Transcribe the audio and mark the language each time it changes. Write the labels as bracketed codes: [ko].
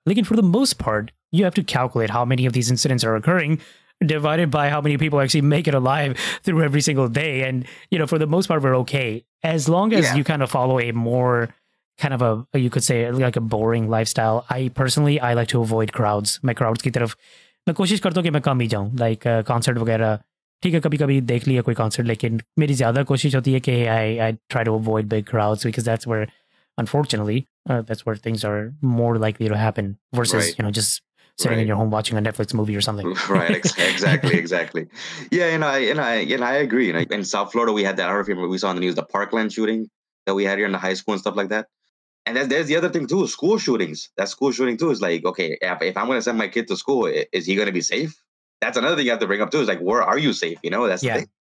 [en] Lekin for the most part, you have to calculate how many of these incidents are occurring divided by how many people actually make it alive through every single day. And, you know, for the most part, we're okay. As long as you kind of follow a more kind of you could say like a boring lifestyle. I personally like to avoid crowds. [hi] My crowds ki taraf. मैं कोशिश करता हूँ कि मैं कम ही जाऊँ, like concert वगैरह ठीक है, कभी कभी देख लिया कोई कॉन्सर्ट, लेकिन मेरी ज़्यादा कोशिश होती है कि [en] I try to avoid big crowds, because that's where unfortunately that's where things are more likely to happen versus you know just sitting in your home watching a Netflix movie or something. Right, exactly. Yeah, I agree. You know, in South Florida, we had that, I don't know if we saw in the news, the Parkland shooting that we had here in the high school and stuff like that. And there's the other thing too, school shootings. That school shooting too is like, okay, if I'm going to send my kid to school, is he going to be safe? That's another thing you have to bring up too. Is like, where are you safe? You know, that's the thing.